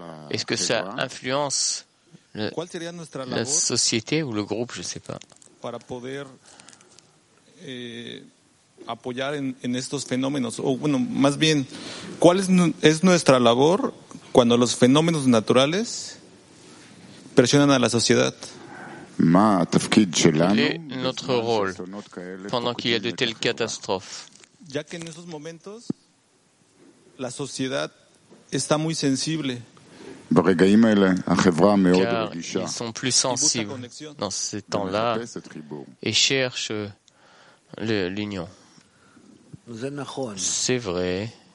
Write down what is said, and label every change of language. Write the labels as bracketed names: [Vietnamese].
[French] Est-ce que ça influence la société ou le groupe, je ne sais pas. [Spanish] Para poder apoyar en estos fenómenos, o bueno, más bien, ¿cuál es nuestra labor cuando los fenómenos naturales presionan a la sociedad? [French] Quel est notre rôle pendant qu'il y a de telles catastrophes? [Spanish] Ya que en esos momentos la sociedad está muy sensible. [French] Car ils sont plus sensibles dans ces temps-là et cherchent l'union. C'est vrai.